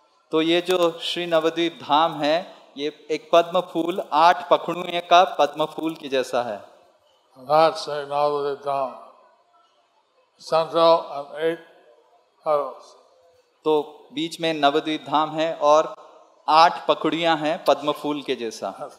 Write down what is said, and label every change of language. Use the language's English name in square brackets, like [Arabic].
[Hindi] तो ये जो श्री नवद्वीप धाम है ये एक पद्म फूल आठ पखड़ुए का पद्म फूल की जैसा है। [English] That's a Navadvip Dham. Central and eight petals. [Hindi] तो बीच में नवद्वीप धाम है और आठ पकड़ियां हैं पद्म फूल के जैसा।